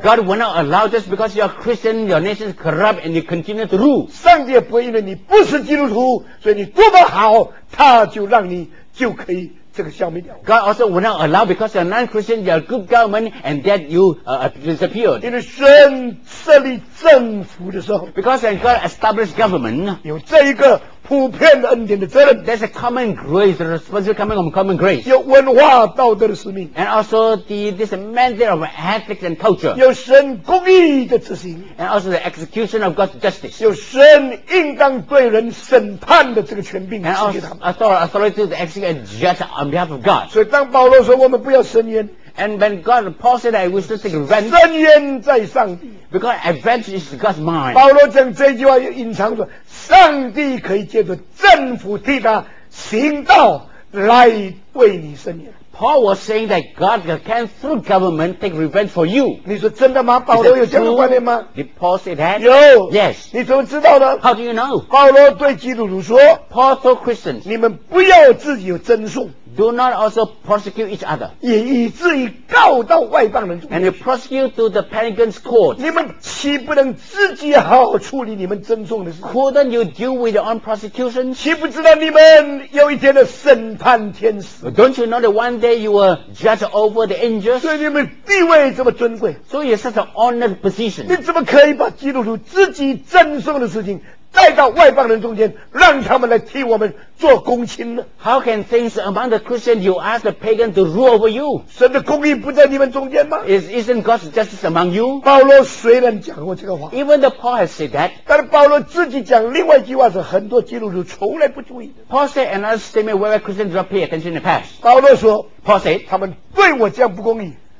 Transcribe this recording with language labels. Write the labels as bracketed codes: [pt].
[en] God will not allow this because you are Christian, your nation is corrupt and you continue to rule. [zh] 上帝也不会因为你不是基督徒，所以你多么好，他就让你就可以这个消灭掉。 [en] God also will not allow because you are non-Christian, you are good government and that you disappeared. [zh] 因为神设立政府的时候 [en] because when God established government, [zh] 有这一个普遍的恩典的责任 [en] there's a common grace, the responsibility coming from common grace. [zh] 有文化道德的使命 [en] and also this mandate of ethics and culture. [zh] 有神公义的执行 [en] and also the execution of God's justice. [zh] 有神应当对人审判的这个权柄 [en] and also authority to execute and judge on behalf of God. [zh] 所以当保罗说我们不要伸冤 [en] And when God Paul said that I wish to take revenge, [zh] 伸冤在上帝 [en] because revenge is God's mind. [zh] 保罗讲这句话又隐藏着，上帝可以借着政府替他行道来为你伸冤。 [en] Paul was saying that God can through government take revenge for you. [zh] 你说真的吗？保罗有这样的观点吗？ [en] Did Paul say that? [zh] 有。 [en] Yes. [zh] 你怎么知道的？ [en] How do you know? [zh] 保罗对基督徒说， [en] Paul told Christians, [zh] 你们不要自己有争讼。 [en] Do not also prosecute each other. [zh] 也以至于告到外邦人。 [en] And you prosecute to the pagans' court. [zh] 你们岂不能自己好处理你们争讼的事？ [en] Couldn't you deal with your own prosecution? [zh] 岂不知道你们有一天的审判天使？ [en] Don't you know that one day you will judge over the angels? [zh] 所以你们地位这么尊贵。 [en] So you're such an honored position. [zh] 你怎么可以把基督徒自己争讼的事情带到外邦人中间，让他们来替我们做公亲呢？ [en] How can things among the Christians you ask the pagan to rule over you? [zh] 神的公义不在你们中间吗？ [en] Isn't God's justice among you? [zh] 保罗虽然讲过这个话， [en] Even the Paul has said that， [zh] 但是保罗自己讲另外一句话是很多基督徒从来不注意的。 [en] Paul said another statement where Christians do not pay attention in the past。 [zh] 保罗说， [en] Paul said， [zh] 他们对我这样不公义，